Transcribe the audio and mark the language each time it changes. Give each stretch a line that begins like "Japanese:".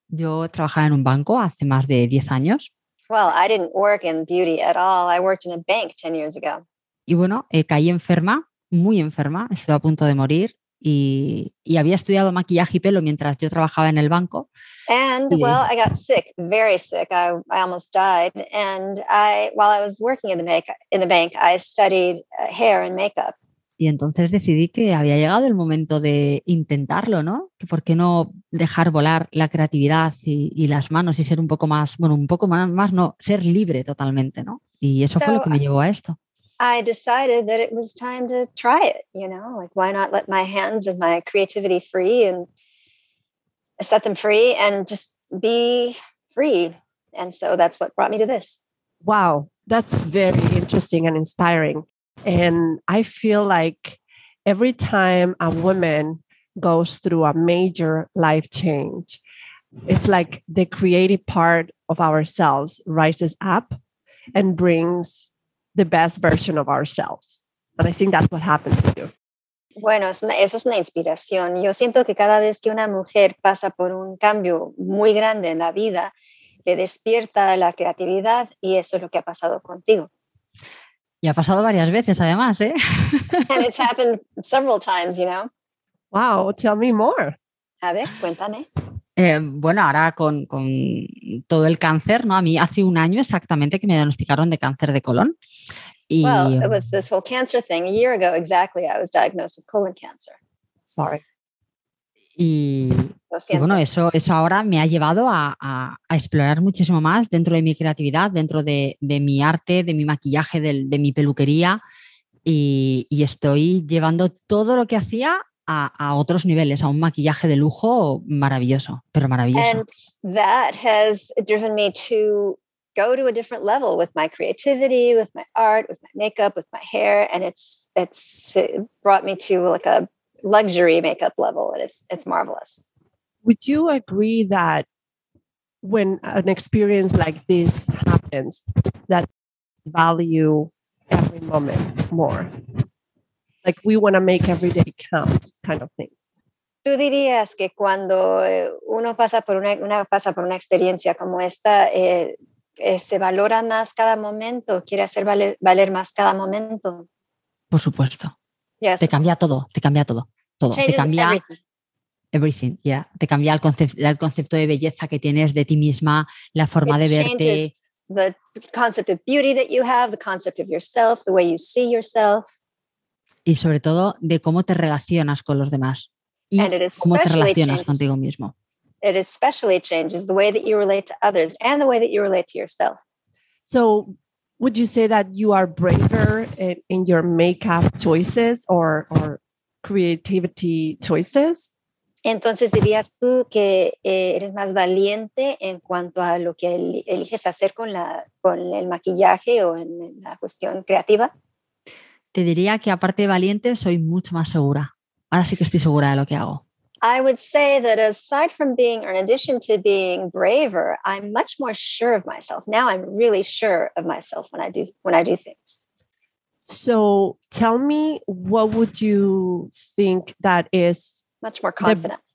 Spanish: Yo trabajaba en un banco hace más de 10 años.
English: Well, I didn't work in beauty at all. I worked in a bank 10 years ago.
Spanish: Y bueno, caí enferma, muy enferma. Estuve a punto de morir y había estudiado maquillaje y pelo mientras yo trabajaba en el banco.
English: And well, I got sick, very sick. I almost died. And while I was working in the bank, I studied hair and makeup.
Spanish: Y entonces decidí que había llegado el momento de intentarlo, ¿no? ¿Por qué no dejar volar la creatividad y las manos y ser un poco más, bueno, un poco más, no, ser libre totalmente, ¿no? Y eso fue lo que me llevó a esto.
English: I decided that it was time to try it, you know? Like, why not let my hands and my creativity free and set them free and just be free? And so that's what brought me to this. Wow, that's very interesting and inspiring. And I feel like every time a woman goes through a major life change, it's like the creative part of ourselves rises up and brings the best version of ourselves. And I think that's what happened to you.
Spanish: Bueno, eso es una inspiración. Yo siento que cada vez que una mujer pasa por un cambio muy grande en la vida, le despierta la creatividad y eso es lo que ha pasado contigo. Y ha pasado varias veces, además, ¿eh?
English: And it's happened several times, you know? Wow, tell me more.
Spanish: A ver, cuéntame. Bueno, ahora con todo el cáncer, ¿no? A mí hace un año exactamente que me diagnosticaron de cáncer de colon.
English: Y, well, with this whole cancer thing, a year ago exactly, I was diagnosed with colon cancer. Sorry.
Spanish: Y bueno, eso ahora me ha llevado a explorar muchísimo más dentro de mi creatividad, dentro de mi arte, de mi maquillaje, de mi peluquería. Y estoy llevando todo lo que hacía a otros niveles, a un maquillaje de lujo maravilloso, pero maravilloso.
English: And that has driven me to go to a different level with my creativity, with my art, with my makeup, with my hair. And it brought me to like a luxury makeup level, and it's marvelous. Would you agree that when an experience like this happens, that value every moment more? Like, we want to make every day count, kind of thing.
Spanish: ¿Tú dirías que cuando uno pasa por una experiencia como esta, se valora más cada momento, quiere hacer valer más cada momento? Por supuesto.
English: Yes.
Spanish: Te cambia todo. todo.
English: Changes
Spanish: te cambia
English: everything. Yeah.
Spanish: Te cambia el concepto de belleza que tienes de ti misma, la forma
English: it
Spanish: de verte.
English: The concept of beauty that you have, the concept of yourself, the way you see yourself.
Spanish: Y sobre todo de cómo te relacionas con los demás y cómo te relacionas contigo mismo.
English: It especially changes the way that you relate to others and the way that you relate to yourself. So would you say that you are braver in your makeup choices or creativity choices?
Spanish: Entonces, ¿dirías tú que eres más valiente en cuanto a lo que eliges hacer con el maquillaje o en la cuestión creativa? Te diría que aparte de valiente, soy mucho más segura. Ahora sí que estoy segura de lo que hago.
English: I would say that aside from being, or in addition to being braver, I'm much more sure of myself. Now I'm really sure of myself when I do things. So tell me, what would you think that is much more confident?